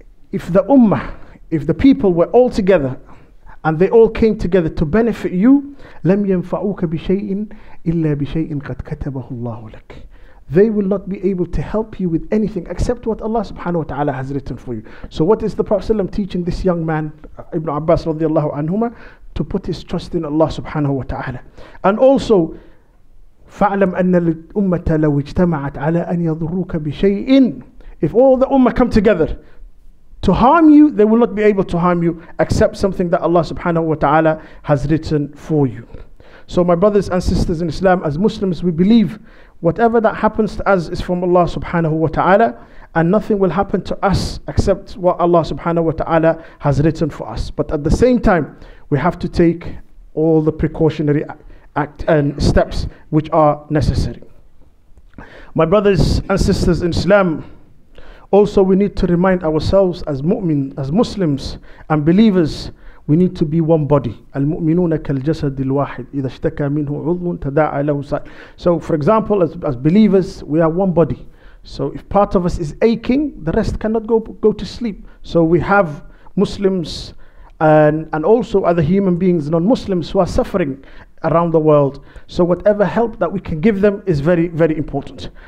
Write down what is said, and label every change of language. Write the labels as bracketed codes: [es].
[en] If the ummah, if the people were all together and they all came together to benefit you, [ar] لَمْ يَنْفَعُوكَ بِشَيْءٍ إِلَّا بِشَيْءٍ قَدْ كَتَبَهُ اللَّهُ لَكَ. [en] They will not be able to help you with anything except what Allah subhanahu wa ta'ala has written for you. So what is the Prophet ﷺ teaching this young man, Ibn Abbas radiallahu anhuma, to put his trust in Allah subhanahu wa ta'ala. And also, [ar] فَعْلَمْ أَنَّ الْأُمَّةَ لَوْ اجْتَمَعَتْ عَلَىٰ أَنْ يَضُرُّوكَ بِشَيْءٍ. [en] If all the ummah come together to harm you, they will not be able to harm you except something that Allah subhanahu wa ta'ala has written for you. So my brothers and sisters in Islam, as Muslims, we believe whatever that happens to us is from Allah subhanahu wa ta'ala, and nothing will happen to us except what Allah subhanahu wa ta'ala has written for us. But at the same time, we have to take all the precautionary act and steps which are necessary. My brothers and sisters in Islam, also we need to remind ourselves as mu'min, as Muslims and believers, we need to be one body. [ar] المؤمنون كالجسد الواحد إذا اشتكى منه عضو تداعى له سائر. [en] So for example, as believers, we are one body. So if part of us is aching, the rest cannot go to sleep. So we have Muslims and also other human beings, non-Muslims, who are suffering around the world. So whatever help that we can give them is very, very important.